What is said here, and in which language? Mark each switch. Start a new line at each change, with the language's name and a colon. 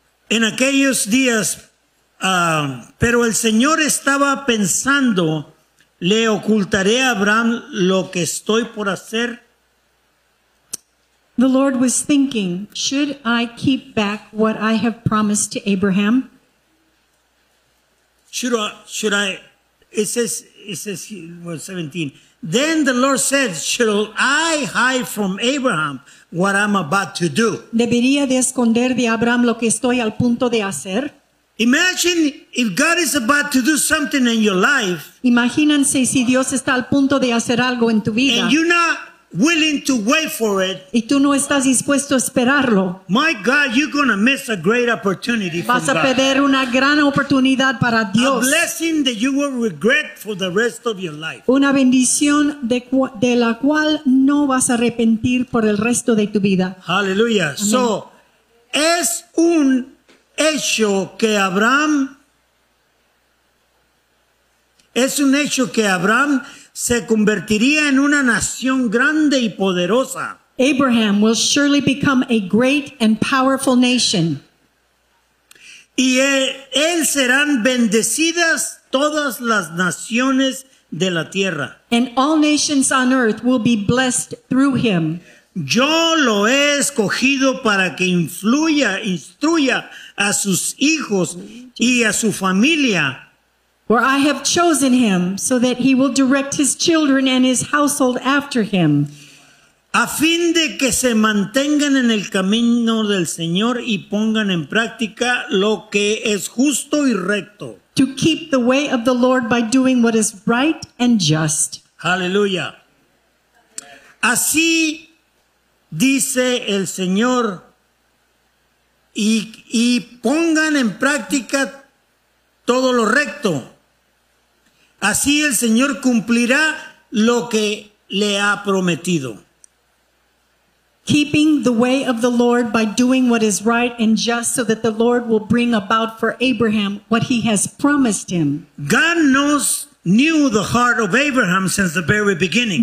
Spanish: En aquellos días, pero el Señor estaba pensando, le ocultaré a Abraham lo que estoy por hacer.
English: The Lord was thinking, should I keep back what I have promised to Abraham? Should I? It says, verse 17. Then the Lord said, should I hide from Abraham what I'm about to do?
Spanish: ¿Debería de esconder de Abraham lo que estoy al punto de hacer?
English: Imagine if God is about to do something in your life.
Spanish: Imagínense si Dios está al punto de hacer algo en tu vida.
English: And you're not willing to wait for it.
Spanish: Y tú no estás dispuesto a esperarlo.
English: My God, you're going to miss a great opportunity.
Spanish: Vas a perder una gran oportunidad para Dios.
English: A blessing that you will regret for the rest of your life.
Spanish: Una bendición de la cual no vas a arrepentir por el resto de tu vida.
English: Hallelujah. Amen.
Spanish: So, es un hecho que Abraham se convertiría en una nación grande y poderosa.
English: Abraham will surely become a great and powerful nation.
Spanish: Y él serán bendecidas todas las naciones de la tierra.
English: And all nations on earth will be blessed through him.
Spanish: Yo lo he escogido para que instruya a sus hijos y a su familia.
English: For I have chosen him so that he will direct his children and his household after him.
Spanish: A fin de que se mantengan en el camino del Señor y pongan en práctica lo que es justo y recto.
English: To keep the way of the Lord by doing what is right and just. Hallelujah.
Spanish: Así dice el Señor, y pongan en práctica todo lo recto. Así el Señor cumplirá lo que le ha prometido.
English: keeping the way of the Lord by doing what is right and just, so that the Lord will bring about for Abraham what he has promised him. God knew the heart of Abraham since the very beginning.